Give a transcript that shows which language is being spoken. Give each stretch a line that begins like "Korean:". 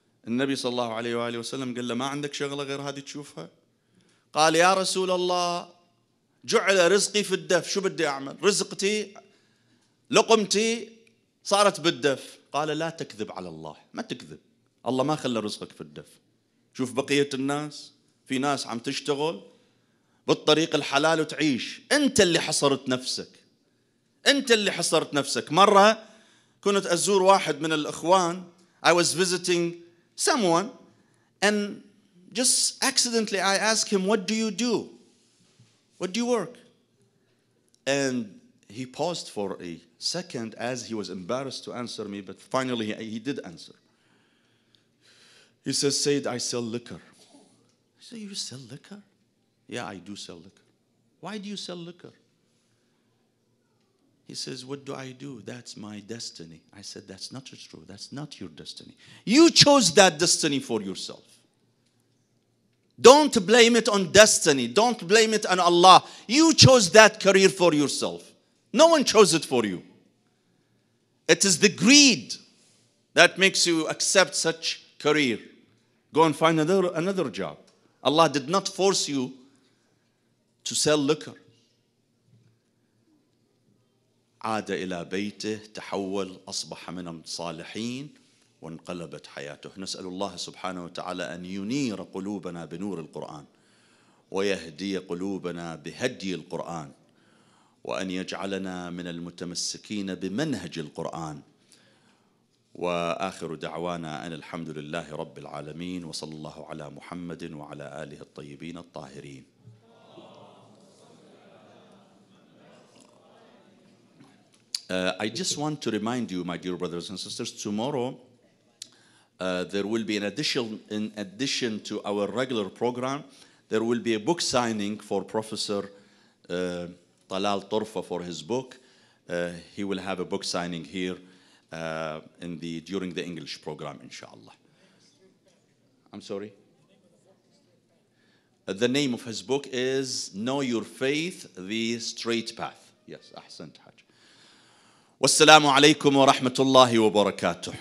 Arabic: النبي صلى الله عليه وآله وسلم قال له ما عندك شغلة غير هذه تشوفها؟ قال يا رسول الله جعل رزقي في الدف، شو بدي أعمل؟ رزقتي لقمتي صارت بالدف. قال لا تكذب على الله، ما تكذب، الله ما خلى رزقك في الدف. شوف بقية الناس، في ناس عم تشتغل بالطريق الحلال وتعيش، أنت اللي حصرت نفسك، أنت اللي حصرت نفسك. مرة كنت أزور واحد من الأخوان،
English: I was visiting someone and just accidentally I asked him what do you do, what do you work, and he paused for a second as he was embarrassed to answer me, but finally he did answer. He says, Sayyid, I sell liquor. I say, you sell liquor? Yeah, I do sell liquor. Why do you sell liquor? He says, what do? That's my destiny. I said, that's not true. That's not your destiny. You chose that destiny for yourself. Don't blame it on destiny. Don't blame it on Allah. You chose that career for yourself. No one chose it for you. It is the greed that makes you accept such career. Go and find another job. Allah did not force you to sell liquor.
Arabic: عاد إلى بيته تحول أصبح من الصالحين وانقلبت حياته. نسأل الله سبحانه وتعالى أن ينير قلوبنا بنور القرآن ويهدي قلوبنا بهدي القرآن وأن يجعلنا من المتمسكين بمنهج القرآن. وآخر دعوانا أن الحمد لله رب العالمين، وصلى الله على محمد وعلى آله الطيبين الطاهرين.
English: I just want to remind you, my dear brothers and sisters, tomorrow there will be in addition to our regular program, there will be a book signing for Professor Talal Turfa for his book. He will have a book signing here during the English program, inshallah. I'm sorry? The name of his book is Know Your Faith, The Straight Path. Yes, Ahsan.
Arabic: والسلام عليكم ورحمة الله وبركاته.